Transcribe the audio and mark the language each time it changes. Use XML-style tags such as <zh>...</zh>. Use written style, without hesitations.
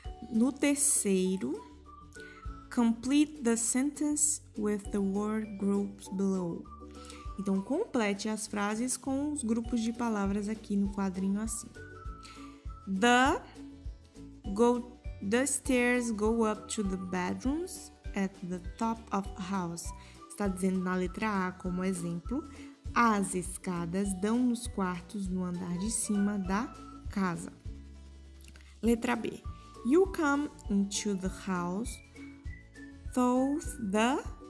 <pt>No terceiro,</pt> <en>complete the sentence with the word groups below.</en> <pt>Então, complete as frases com os grupos de palavras aqui no quadrinho assim.</pt> <en>The stairs go up to the bedrooms at the top of the house.</en> <pt>Está dizendo na letra A, como exemplo, as escadas dão nos quartos no andar de cima da casa. Letra B.</pt> <en>You come into the house through the...</en>